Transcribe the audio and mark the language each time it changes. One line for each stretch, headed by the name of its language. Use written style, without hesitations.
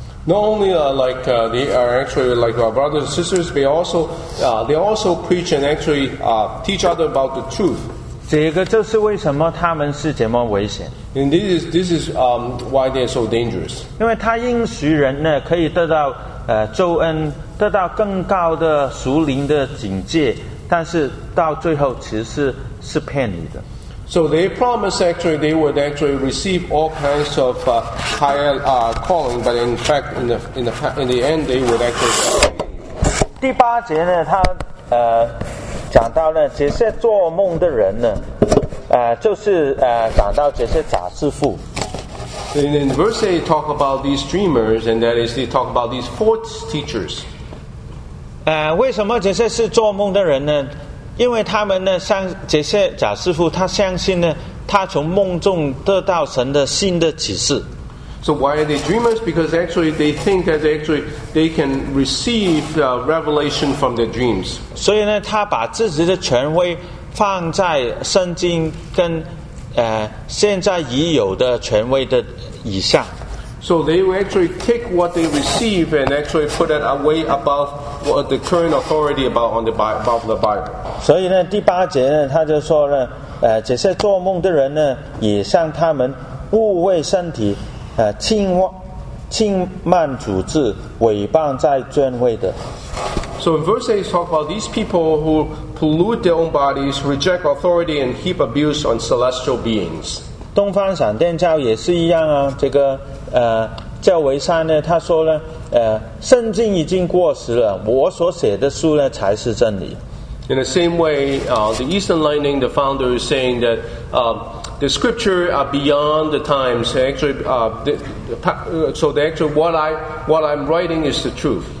English: Not only they are actually like our brothers and sisters, they also preach and actually teach others about the truth.
Chinese: 这个就是为什么他们是这么危险。
English: And this is why they are so dangerous.
Chinese: 因为他应许人呢可以得到救恩，得到更高的属灵的境界，但是到最后其实是骗你的。
English: So they promised actually they would actually receive all kinds of higher calling, but in fact in the end they would actually.
Chinese: 第八节呢，他讲到呢，这些做梦的人呢，就是讲到这些假师傅。
English: In verse 8, talk about these dreamers, and that is they talk about these false teachers.
Chinese: 为什么这些是做梦的人呢？因为他们呢，像这些假师傅，他相信呢，他从梦中得到神的新的启示。
English: So why are they dreamers? Because actually they think that actually they can receive revelation from their dreams.
Chinese: 所以呢，他把自己的权威放在圣经跟现在已有的权威的以上。
English: So they will actually take what they receive and actually put it away above what the current authority about on the Bible, above the Bible.
Chinese: 所以呢，第八节呢，他就说呢，这些做梦的人呢，也向他们误会身体，轻慢主治，诽谤在尊位的。
English: So in verse 8, talk about these people who pollute their own bodies, reject authority, and heap abuse on celestial beings.
Chinese: 东方闪电教也是一样啊，这个。教维山呢，他说呢，圣经已经过时了，我所写的书呢才是真理。
English: In the same way, the Eastern Lightning, the founder, is saying that the scripture are beyond the times. Actually, what I'm writing is the truth.